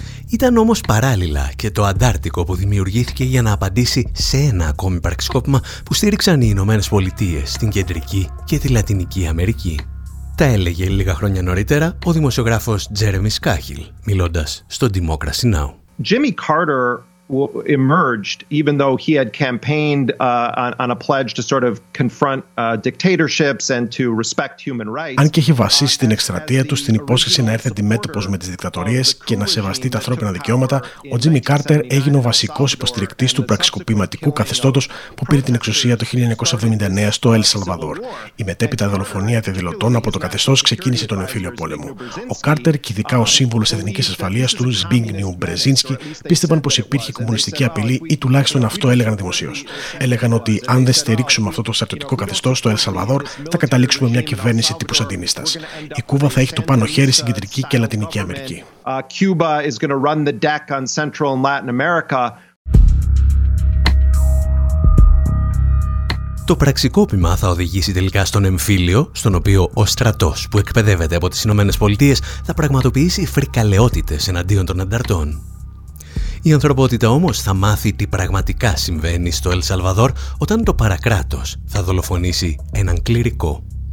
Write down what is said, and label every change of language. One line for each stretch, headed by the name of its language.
Greek: Ήταν όμως παράλληλα και το αντάρτικο που δημιουργήθηκε για να απαντήσει σε ένα ακόμη πραξικόπημα που στήριξαν οι Ηνωμένες Πολιτείες, την Κεντρική και τη Λατινική Αμερική. Τα έλεγε λίγα χρόνια νωρίτερα ο δημοσιογράφος Τζέρεμι Σκάχιλ, μιλώντας στο Democracy Now.
English: Jimmy Carter emerged, even though he had campaigned on a pledge to sort of confront dictatorships and to respect human rights.
Greek: Αν και είχε βασίσει την εκστρατεία του στην υπόσχεση να έρθει αντιμέτωπος με τις δικτατορίες και να σεβαστεί τα ανθρώπινα δικαιώματα, ο Τζίμι Κάρτερ έγινε ο βασικός υποστηρικτής του πραξικοπηματικού καθεστώτος που πήρε την εξουσία το 1979 στο El Salvador. Η μετέπειτα δολοφονία διαδηλωτών από το καθεστώς ξεκίνησε τον εμφύλιο πόλεμο. Ο Κάρτερ και ειδικά ο σύμβουλος εθνικής ασφαλείας του, Ζμπίγνιου Μπρεζίνσκι, πίστευαν πως υπήρχε κομμουνιστική απειλή ή τουλάχιστον αυτό έλεγαν δημοσίως. Έλεγαν ότι αν δεν στηρίξουμε αυτό το στρατιωτικό καθεστώς στο El Salvador, θα καταλήξουμε μια κυβέρνηση τύπου Σαντινίστας. Η Κούβα θα έχει το πάνω χέρι στην Κεντρική και Λατινική Αμερική.
English: Cuba is going to run the deck on Central and Latin America.
Greek: Το πραξικόπημα θα οδηγήσει τελικά στον εμφύλιο, στον οποίο ο στρατός που εκπαιδεύεται από τις Ηνωμένες Πολιτείες θα πραγματοποιήσει φρικαλαιότητες εναντίον των ανταρτών. Η ανθρωπότητα όμως θα μάθει τι πραγματικά συμβαίνει στο El Salvador όταν το παρακράτος θα δολοφονήσει έναν κληρικό.